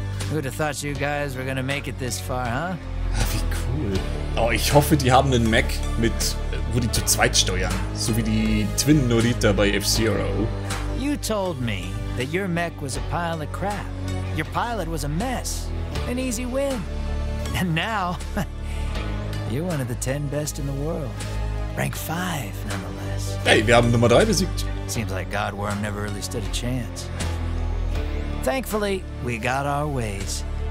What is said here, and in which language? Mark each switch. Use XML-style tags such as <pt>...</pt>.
<en>Who'd have thought you guys were gonna make it this far, huh?</en> <de>Wie cool. Oh, ich hoffe, die haben einen Mech, mit, wo die zu zweit steuern. So wie die Twin Norita bei F-Zero.</de> <en>You told me that your mech was a pile of crap. Your pilot was a mess. An easy win. And now, you're one of the 10 best in the world. Rank 5, nonetheless.</en> <de>Hey, wir haben Nummer 3 besiegt.</de> <en>Seems like Godworm never really stood a chance. Thankfully, we got our ways.</en>